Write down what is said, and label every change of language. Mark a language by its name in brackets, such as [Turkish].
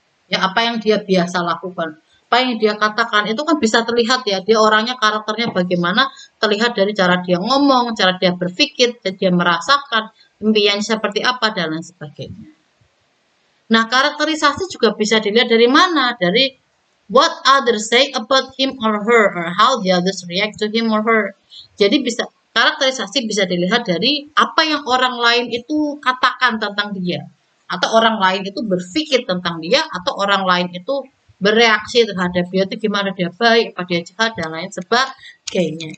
[Indonesian] Ya, apa yang dia biasa lakukan. Apa yang dia katakan itu kan bisa terlihat ya, dia orangnya karakternya bagaimana terlihat dari cara dia ngomong, cara dia berpikir, cara dia merasakan, impiannya seperti apa dan lain sebagainya. Nah, karakterisasi juga bisa dilihat dari mana? Dari [English] what others say about him or her or how the others react to him or her. [Indonesian] Jadi bisa karakterisasi bisa dilihat dari apa yang orang lain itu katakan tentang dia atau orang lain itu berpikir tentang dia atau orang lain itu bereaksi terhadap dia itu gimana, dia baik, apa dia jahat, dan lain sebagainya.